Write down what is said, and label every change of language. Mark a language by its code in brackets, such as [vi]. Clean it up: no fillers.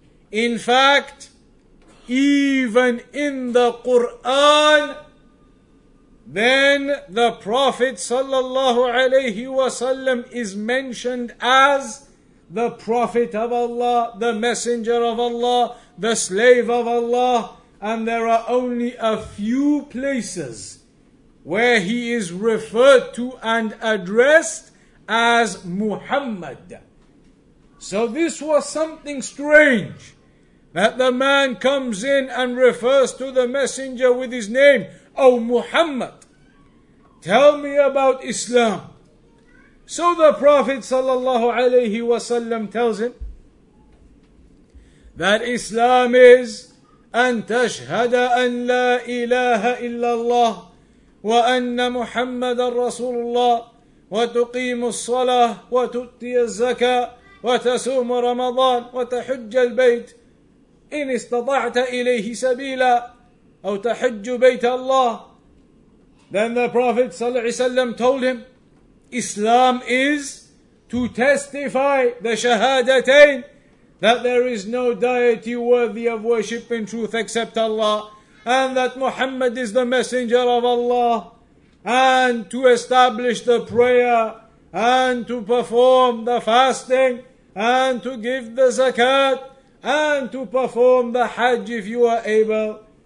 [en] In fact, even in the Quran, then the Prophet sallallahu alaihi wasallam is mentioned as the Prophet of Allah, the Messenger of Allah, the slave of Allah, and there are only a few places where he is referred to and addressed as Muhammad. So this was something strange, that the man comes in and refers to the Messenger with his name, O Muhammad. Tell me about Islam. So the Prophet sallallahu alaihi wasallam tells him that Islam is [ar] أن تشهد أن لا إله إلا الله وأن محمد رسول الله وتقيم الصلاة وتؤتي الزكاة وتصوم رمضان وتحج البيت إن استطعت إليه سبيلا أو تحج بيت الله. [en] Then the Prophet ﷺ told him, Islam is to testify the shahadatain, that there is no deity worthy of worship in truth except Allah, and that Muhammad is the Messenger of Allah, and to establish the prayer, and to perform the fasting, and to give the zakat, and to perform the hajj if you are able.